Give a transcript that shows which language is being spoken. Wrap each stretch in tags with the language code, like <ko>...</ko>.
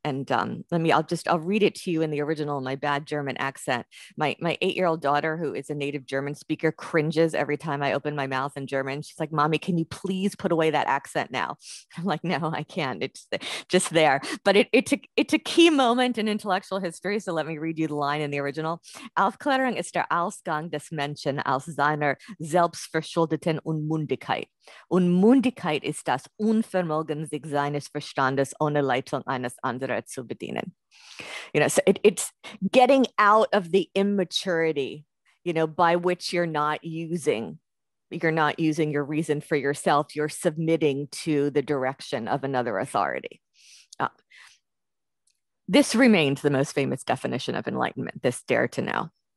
<en>And I'll read it to you in the original, my bad German accent. My 8-year-old daughter, who is a native German speaker, cringes every time I open my mouth in German. She's like, Mommy, can you please put away that accent now? I'm like, no, I can't. It's just there. But it's a key moment in intellectual history. So let me read you the line in the original.</en> <de>Aufklärung ist der Ausgang des Menschen aus seiner selbstverschuldeten Unmündigkeit. Unmündigkeit ist das Unvermögen, sich seines Verstandes ohne Leitung eines anderen zu bedienen.</de> <en>You know, so it's getting out of the immaturity, you know, by which you're not using your reason for yourself. You're submitting to the direction of another authority. This remains the most famous definition of enlightenment, this dare to know.</en>